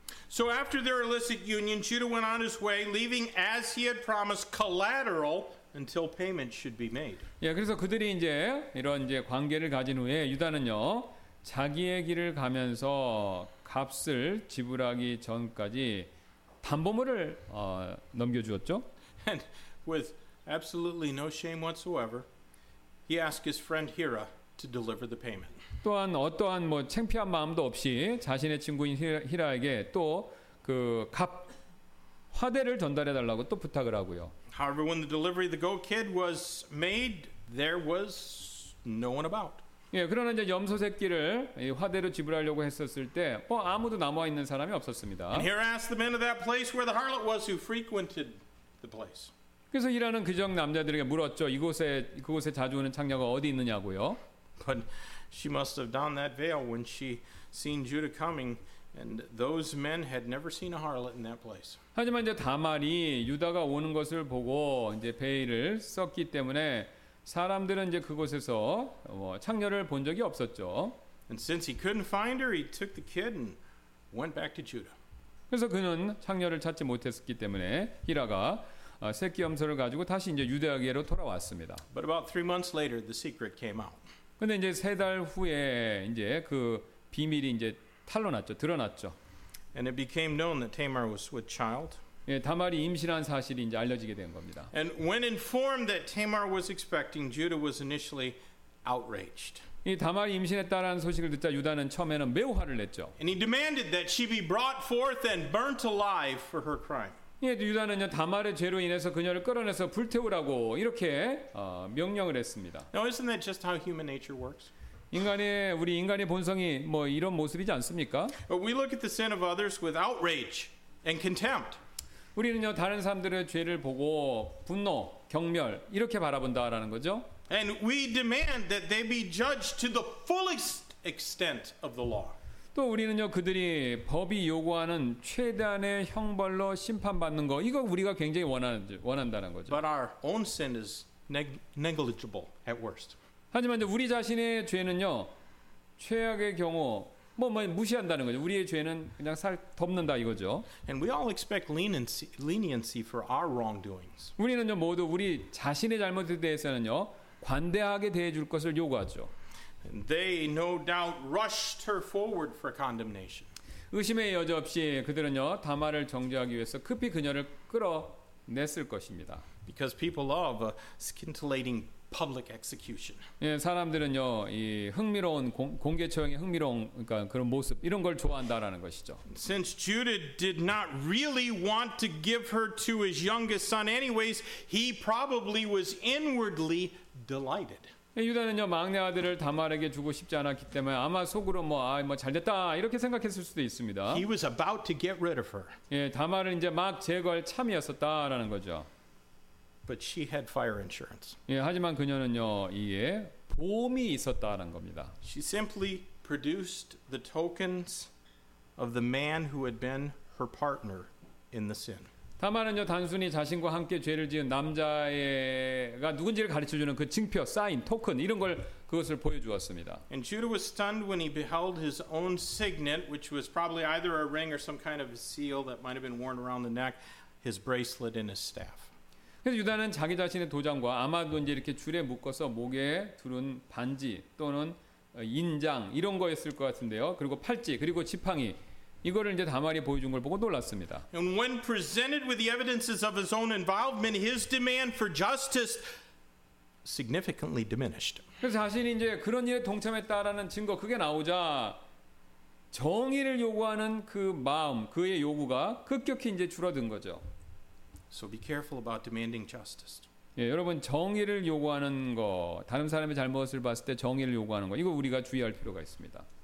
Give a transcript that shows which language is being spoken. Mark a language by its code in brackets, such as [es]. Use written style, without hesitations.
[en] So after their illicit union, Judah went on his way, leaving as he had promised collateral until payment should be made. [ko] 예, 그래서 그들이 이제 이런 이제 관계를 가진 후에 유다는요 자기의 길을 가면서 값을 지불하기 전까지 담보물을 넘겨주었죠. [en] And with absolutely no shame whatsoever, he asked his friend Hira to deliver the payment. [ko] 또한 어떠한 뭐 창피한 마음도 없이 자신의 친구인 히라에게 또 그 값 화대를 전달해 달라고 또 부탁을 하고요. [en] However, when the delivery of the goat kid was made, there was no one about. [ko] 예, 그러나 이제 염소 새끼를 화대로 지불하려고 했었을 때 뭐 아무도 남아 있는 사람이 없었습니다. [en] And here asked the men of that place where the harlot was who frequented the place. [ko] 그래서 히라는 그 지역 남자들에게 물었죠. 이곳에 그곳에 자주 오는 창녀가 어디 있느냐고요. [en] But she must have donned that veil when she seen Judah coming, and those men had never seen a harlot in that place. [ko] 하지만 이제 다말이 유다가 오는 것을 보고 이제 베일을 썼기 때문에 사람들은 이제 그곳에서 창녀를 본 적이 없었죠. [en] And since he couldn't find her, he took the kid and went back to Judah. [ko] 그래서 그는 창녀를 찾지 못했기 때문에 히라가 새끼 염소를 가지고 다시 이제 유대에게로 돌아왔습니다. [en] But about 3 months later, the secret came out. [ko] 근데 이제 세 달 후에 이제 그 비밀이 이제 탄로났죠, 드러났죠. [en] And it became known that Tamar was with child. [ko] 예, 다말이 임신한 사실이 이제 알려지게 된 겁니다. [en] And when informed that Tamar was expecting, Judah was initially outraged. [ko] 이 다말이 임신했다라는 소식을 듣자 유다는 처음에는 매우 화를 냈죠. [en] And he demanded that she be brought forth and burnt alive for her crime. [ko] 예, 유다는요 다말의 죄로 인해서 그녀를 끌어내서 불태우라고 이렇게 명령을 했습니다. [en] Now isn't that just how human nature works? [ko] 인간의 우리 인간의 본성이 뭐 이런 모습이지 않습니까? [en] But we look at the sin of others with outrage and contempt. [ko] 우리는요 다른 사람들의 죄를 보고 분노, 경멸 이렇게 바라본다라는 거죠. [en] And we demand that they be judged to the fullest extent of the law. [ko] 또 우리는요 그들이 법이 요구하는 최대한의 형벌로 심판받는 거 이거 우리가 굉장히 원한다는 거죠. [en] But our own sin is negligible at worst. [ko] 하지만 이제 우리 자신의 죄는요 최악의 경우 뭐 무시한다는 거죠. 우리의 죄는 그냥 살 덮는다 이거죠. [en] And we all expect leniency for our wrongdoings. [ko] 우리는요 모두 우리 자신의 잘못에 대해서는요 관대하게 대해줄 것을 요구하죠. [en] And they no doubt rushed her forward for condemnation. [ko] 의심의 여지 없이 그들은요 다말을 정죄하기 위해서 급히 그녀를 끌어냈을 것입니다. [en] Because people love a scintillating public execution. [ko] 예, 사람들은요 이 흥미로운 공개 처형의 흥미로운 그러니까 그런 모습 이런 걸 좋아한다라는 것이죠. [en] Since Judah did not really want to give her to his youngest son, anyways, he probably was inwardly delighted. [ko] 유다는요 막내 아들을 다말에게 주고 싶지 않았기 때문에 아마 속으로 뭐 잘 됐다 이렇게 생각했을 수도 있습니다. [en] He was about to get rid of her. [ko] 예, 다말은 이제 막 제거할 참이었었다라는 거죠. [en] But she had fire insurance. [ko] 예, 하지만 그녀는요 이에 보험이 있었다라는 겁니다. [en] She simply produced the tokens of the man who had been her partner in the sin. [ko] 다말은요 단순히 자신과 함께 죄를 지은 남자가 누군지를 가르쳐주는 그 증표, 사인, 토큰 이런 걸 그것을 보여주었습니다. [en] And Judah was stunned when he beheld his own signet, which was probably either a ring or some kind of a seal that might have been worn around the neck, his bracelet and his staff. [ko] 그래서 유다는 자기 자신의 도장과 아마도 이제 이렇게 줄에 묶어서 목에 두른 반지 또는 인장 이런 거였을 것 같은데요. 그리고 팔찌 그리고 지팡이. 이거를 이제 다말이 보여준 걸 보고 놀랐습니다. [en] And when presented with the evidences of his own involvement, his demand for justice significantly diminished. [ko] 그래서 자신이 이제 그런 일에 동참했다라는 증거 그게 나오자 정의를 요구하는 그 마음, 그의 요구가 급격히 이제 줄어든 거죠. [en] So be careful about demanding justice. [ko] 예, 여러분 정의를 요구하는 거, 다른 사람의 잘못을 봤을 때 정의를 요구하는 거, 이거 우리가 주의할 필요가 있습니다.